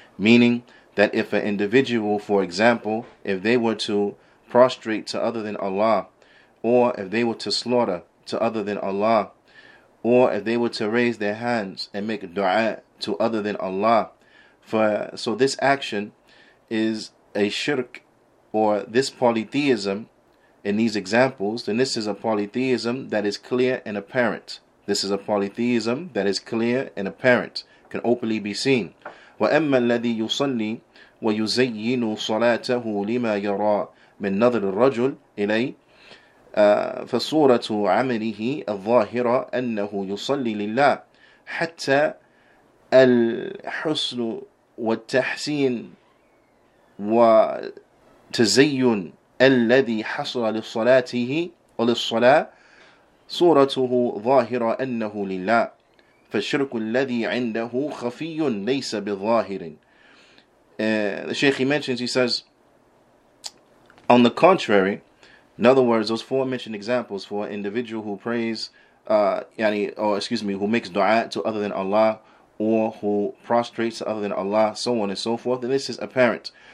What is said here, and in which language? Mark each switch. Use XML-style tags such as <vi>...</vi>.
<en>Meaning that if an individual, for example, if they were to prostrate to other than Allah, or if they were to slaughter to other than Allah, or if they were to raise their hands and make dua to other than Allah, so this action is a shirk, or this polytheism in these examples, then this is a polytheism that is clear and apparent. This is a polytheism that is clear and apparent, can openly be seen.</en> <ar>وَأَمَّا الَّذِي يُصَلِّي وَيُزَيِّنُ صَلَاتَهُ لِمَا يَرَى مِنْ نَظْرِ الرَّجُلِ إِلَيْهِ فصورة عمله الظاهرة أنه يصلي لله حتى الحسن والتحسين وتزين الذي حصل لصلاته وللصلاة صورته ظاهرة أنه لله فالشرك الذي عنده خفي ليس بظاهر.</ar> <en>The Sheikh, he mentions, he says, on the contrary, in other words, those four mentioned examples for an individual who prays, who makes dua to other than Allah, or who prostrates to other than Allah, so on and so forth, then this is apparent.</en>